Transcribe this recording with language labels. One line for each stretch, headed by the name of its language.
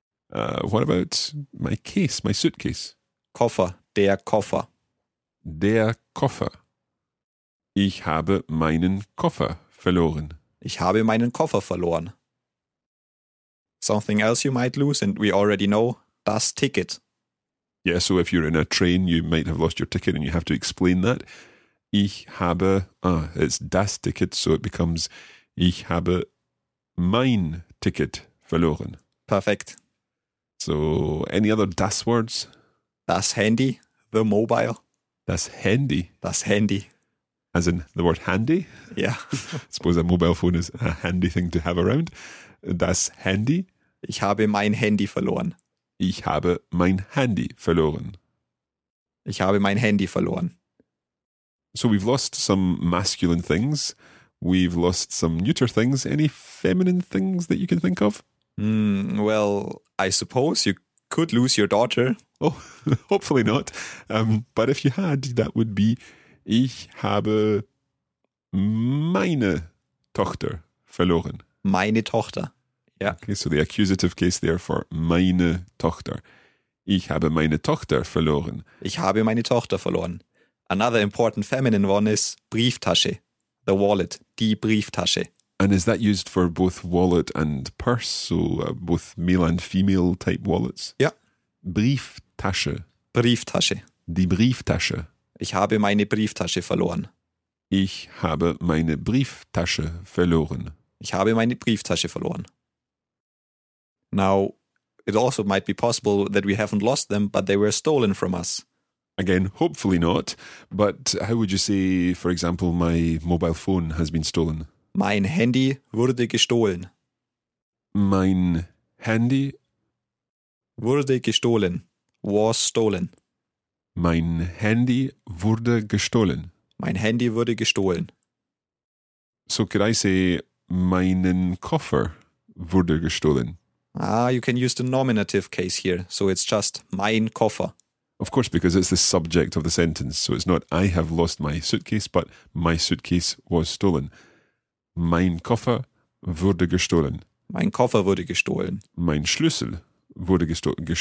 English: What about my case, my suitcase?
German: Koffer. Der Koffer. Der Koffer. Ich habe meinen Koffer verloren. Ich habe meinen Koffer verloren.
English: Something else you might lose, and we already know, das Ticket. Yeah, so if you're in a train, you might have lost your ticket and you have to explain that.
German: Ich habe,
English: it's
German: das Ticket,
English: so it becomes
German: ich habe mein Ticket verloren.
English: Perfect. So, any other das words?
German: Das Handy,
English: the mobile.
German: Das Handy. Das Handy.
English: As in the word handy? Yeah. I suppose a mobile phone is a handy thing to have around.
German: Das Handy. Ich habe mein Handy verloren. Ich habe mein Handy verloren. Ich habe mein Handy verloren.
English: So we've lost some masculine things. We've lost some neuter things. Any feminine things that you can think of? Well, I suppose you could lose your daughter. Oh, hopefully not. But if you had, that would be
German: Ich habe meine Tochter verloren. Meine Tochter. Yeah.
English: Okay, so the accusative case there for
German: meine Tochter. Ich habe meine Tochter verloren. Ich habe meine Tochter verloren.
English: Another important feminine one is Brieftasche. The wallet. Die Brieftasche. And is that used for both wallet and purse? So both male and female type wallets? Yeah.
German: Brieftasche. Brieftasche. Die Brieftasche. Ich habe meine Brieftasche verloren. Ich habe meine Brieftasche verloren. Ich habe meine Brieftasche verloren.
English: Now, it also might be possible that we haven't lost them, but they were stolen from us. Again, hopefully not. But how would you say, for example, my mobile phone has been stolen?
German: Mein Handy wurde gestohlen. Mein Handy wurde gestohlen.
English: Was stolen.
German: Mein Handy wurde gestohlen. Mein Handy wurde gestohlen.
English: So could I say,
German: meinen Koffer wurde gestohlen?
English: Ah, you can use the nominative case here. So it's just
German: mein Koffer.
English: Of course, because it's the subject of the sentence. So it's not I have lost my suitcase, but my suitcase was stolen.
German: Mein Koffer wurde gestohlen. Mein Koffer wurde gestohlen. Mein Schlüssel wurde gestohlen.